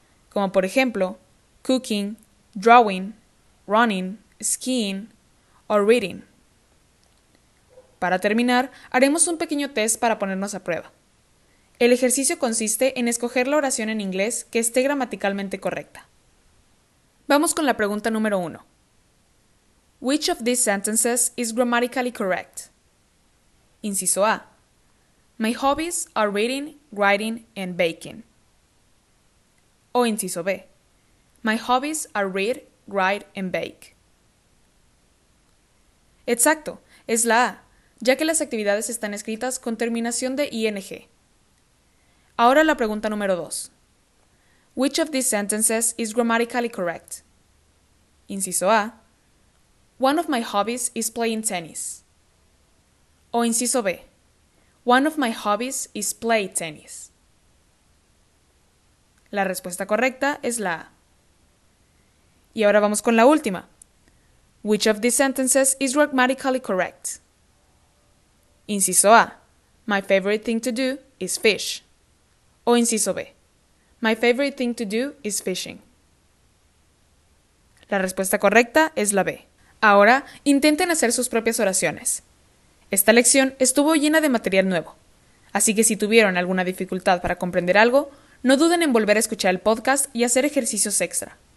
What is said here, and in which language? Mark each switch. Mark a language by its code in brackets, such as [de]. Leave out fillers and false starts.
[es] Como por ejemplo, [en] cooking, drawing, running, skiing, or reading. [es] Para terminar, haremos un pequeño test para ponernos a prueba. El ejercicio consiste en escoger la oración en inglés que esté gramaticalmente correcta. Vamos con la pregunta número 1. [en] Which of these sentences is grammatically correct? [es] Inciso A. [en] My hobbies are reading, writing, and baking. [es] O inciso B. [en] My hobbies are read, write, and bake. [es] Exacto, es la A, ya que las actividades están escritas con terminación de ing. Ahora la pregunta número 2. [en] Which of these sentences is grammatically correct? [es] Inciso A. [en] One of my hobbies is playing tennis. [es] O inciso B. [en] One of my hobbies is play tennis. [es] La respuesta correcta es la A. Y ahora vamos con la última. [en] Which of these sentences is grammatically correct? [es] Inciso A. [en] My favorite thing to do is fish. [es] O inciso B. [en] My favorite thing to do is fishing. [es] La respuesta correcta es la B. Ahora, intenten hacer sus propias oraciones. Esta lección estuvo llena de material nuevo. Así que si tuvieron alguna dificultad para comprender algo, no duden en volver a escuchar el podcast y hacer ejercicios extra.